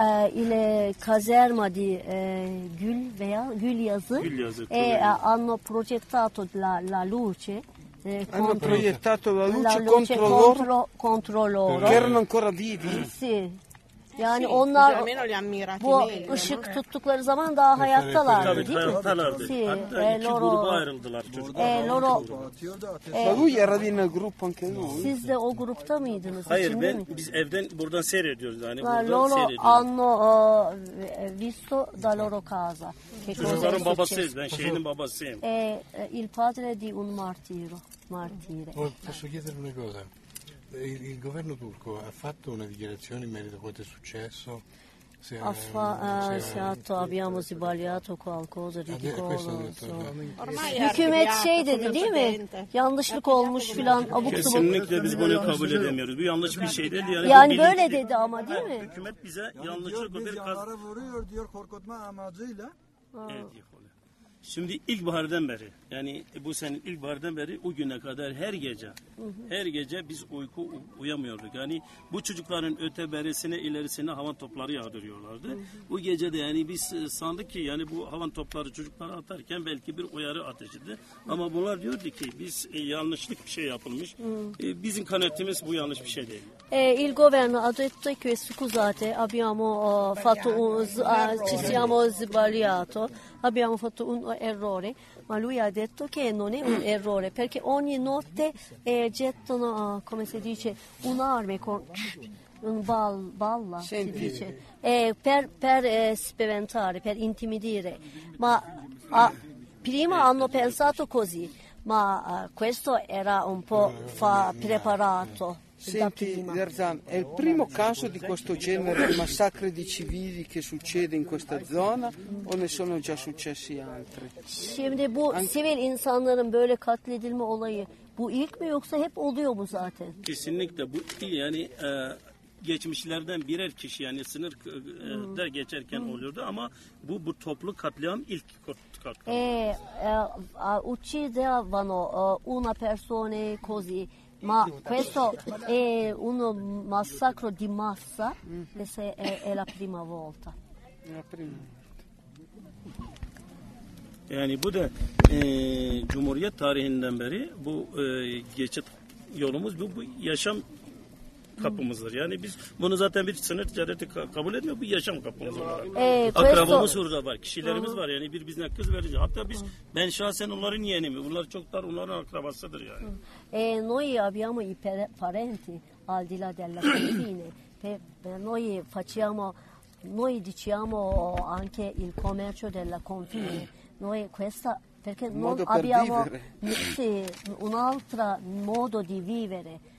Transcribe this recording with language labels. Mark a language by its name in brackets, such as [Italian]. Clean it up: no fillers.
[Italian] Ile caserma di Gül veya Gülyazı. Gülyazı. Hanno progettato la luce. Hanno proiettato la luce contro loro. Che erano ancora vivi. [Turkish] Sì. Yani onlar [Italian] almeno li ammirati. [Turkish] Bu ışık tuttukları zaman daha hayattalardı, değil mi? Tabii, hayattalardı. Sì. Loro ayrıldılar çocuklar. Loro. [Italian] Lui era in gruppo anche lui. [Turkish] Siz de o grupta mıydınız? Hayır, biz evden buradan seyrediyoruz yani. [Italian] Loro hanno visto da loro casa. [Turkish] Çocukların babasıyız, ben şehidin babasıyım. [Italian] Il padre di un martiro. Posso chiedere una cosa? Il governo turco ha fatto una dichiarazione in merito a questo successo? Abbiamo sbagliato qualcosa, ridicolo. Ormai [Turkish] hükümet şey dedi, değil mi? Yanlışlık olmuş filan. Kesinlikle biz bunu kabul edemiyoruz. Bu yanlış bir şey dedi. Yani böyle dedi ama, değil mi? Hükümet bize yanlışlıkla bir kaz... vuruyor diyor korkutma amacıyla. Evet, şimdi ilkbahardan beri, yani bu senin ilkbahardan beri o güne kadar her gece biz uyamıyorduk. Yani bu çocukların öte berisine, ilerisine havan topları yağdırıyorlardı. Bu gece de yani biz sandık ki yani bu havan topları çocuklara atarken belki bir uyarı ateşiydi. Ama bunlar diyordu ki biz yanlışlık bir şey yapılmış. Bizim kanaatimiz bu yanlış bir şey değil. [Italian] Il governo ha detto che scusate, abbiamo fatto ci siamo sbagliato. Abbiamo fatto un errore, ma lui ha detto che non è un errore, perché ogni notte gettano, come si dice, un'arma con un balla, senti, si dice, per spaventare, per intimidire. Ma prima hanno pensato così, ma questo era un po' preparato. Senti, Derzan, è il primo caso di questo genere di massacri di civili che succede in questa zona o ne sono già successi altri? [Turkish] Şimdi bu sivil insanların böyle katledilme olayı bu ilk mi yoksa hep oluyor mu zaten? Kesinlikle bu yani geçmişlerden birer kişi yani sınırda geçerken oluyordu ama bu toplu katliam ilk katliam. [Italian] Uccidevano una persona così. Ma questo è un massacro di massa, questa è la prima volta. [Turkish] Yani bu da Cumhuriyet tarihinden beri bu geçit yolumuz, bu yaşam kapımızdır. Yani biz bunu zaten bir sınır ticareti kabul etmiyor, bu yaşam kapımız olarak. Akrabamız orada var, kişilerimiz var. Yani bir bizden kız verince, hatta biz ben şahsen onların yeğenim. Bunlar çoktan onların akrabasıdır yani. [Italian] Noi abbiamo i parenti al di là della confine. Noi facciamo, noi diciamo anche il commercio della confine. Noi questa perché non abbiamo sì, un altro modo di vivere.